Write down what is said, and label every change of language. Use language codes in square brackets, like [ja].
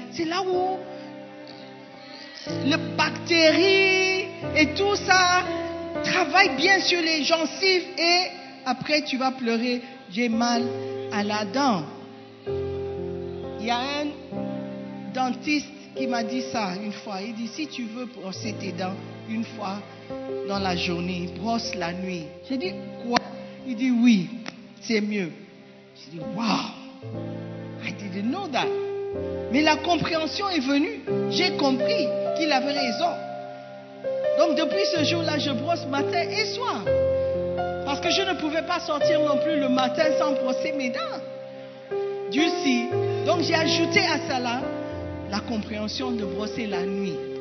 [fr] C'est là où les bactéries et tout ça travaillent bien sur les gencives et après tu vas pleurer, j'ai mal à la dent. Il y a un dentiste qui m'a dit ça une fois. Il dit, si tu veux brosser tes dents une fois dans la journée, brosse la nuit. J'ai dit, quoi? Il dit, oui, c'est mieux. Je dis, [en] wow, I didn't know that. [fr] Mais la compréhension est venue. J'ai compris qu'il avait raison. Donc, depuis ce jour-là, je brosse matin et soir. Parce que je ne pouvais pas sortir non plus le matin sans brosser mes dents. Dieu sait. Donc, j'ai ajouté à cela la compréhension de brosser la nuit.